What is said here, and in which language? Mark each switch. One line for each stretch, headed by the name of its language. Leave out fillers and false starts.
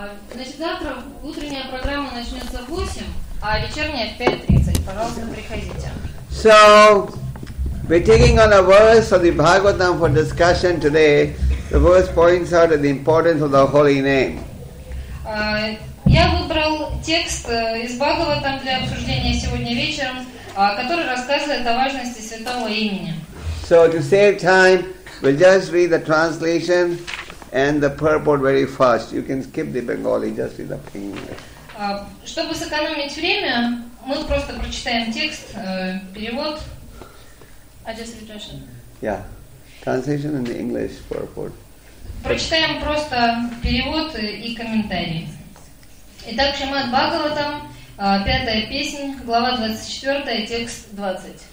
Russian: Значит, завтра утренняя программа начнется в 8, а вечерняя в 5:30. Пожалуйста, приходите.
English: So, we're taking on a verse of the Bhagavatam for discussion today. The verse points out the importance of the holy name.
Russian: Я выбрал текст из Бхагаватам для обсуждения сегодня вечером, который рассказывает о важности святого имени.
English: So to save time, we'll just read the translation and the purport very fast. You can skip the Bengali, just read the plain English.
Russian: Чтобы сэкономить время, мы просто прочитаем текст, перевод.
English: Translation in the English purport.
Russian: Прочитаем просто перевод и комментарий. Итак, Шримад Бхагаватам, пятая песня, глава 24, текст 20.